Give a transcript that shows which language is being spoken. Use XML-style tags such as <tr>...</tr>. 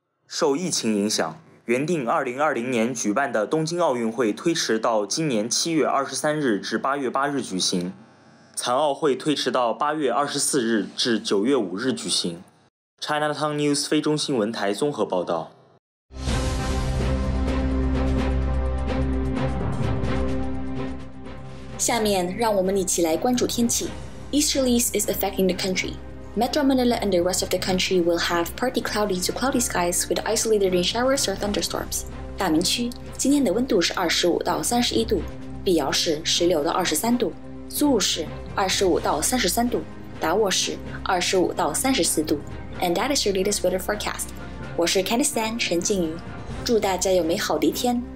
<zh>受疫情影响，原定2020年举办的东京奥运会推迟到今年7月23日至8月8日举行，残奥会推迟到8月24日至9月5日举行。 Chinatown News 菲中新闻台综合报道。下面让我们一起来关注天气。</zh> <en>Easterlies is affecting the country. Metro Manila and the rest of the country will have partly cloudy to cloudy skies with isolated rain showers or thunderstorms.</en> <zh>大明区今天的温度是25到31度，碧瑶市16到23度，苏雾市25到33度，达沃市25到34度。</zh> <en>And that is your latest weather forecast.</en> <zh>我是 Candice Tan 陈静瑜，祝大家有美好的一天。</zh>